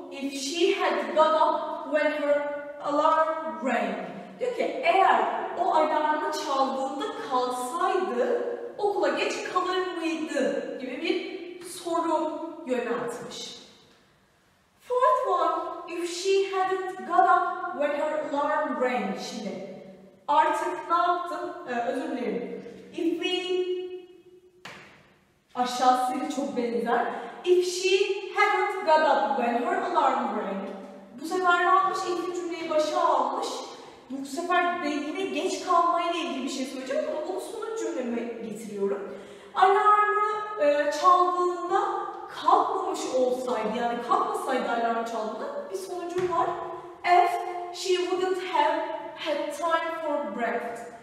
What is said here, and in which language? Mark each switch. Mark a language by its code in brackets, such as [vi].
[en] If she had got up when her alarm rang. [tr] Diyor ki eğer o alarmı çaldığında kalsaydı okula geç kalır mıydı gibi bir soru yöneltmiş. [en] Fourth one, if she hadn't got up when her alarm rang. [tr] Şimdi artık ne yaptım? Özür dilerim. [en] If we, [tr] aşağısıyla çok benzer. [en] If she hadn't got up when her alarm rang. [tr] Bu sefer ne yapmış? İlk cümleyi başa almış. Bu sefer de yine geç kalmayla ilgili bir şey söyleyeceğim ama onu sonuç cümleme getiriyorum. Alarmı çaldığında kalkmamış olsaydı, yani kalkmasaydı alarm çaldığında bir sonucum var. [en] If she wouldn't have had time for breakfast.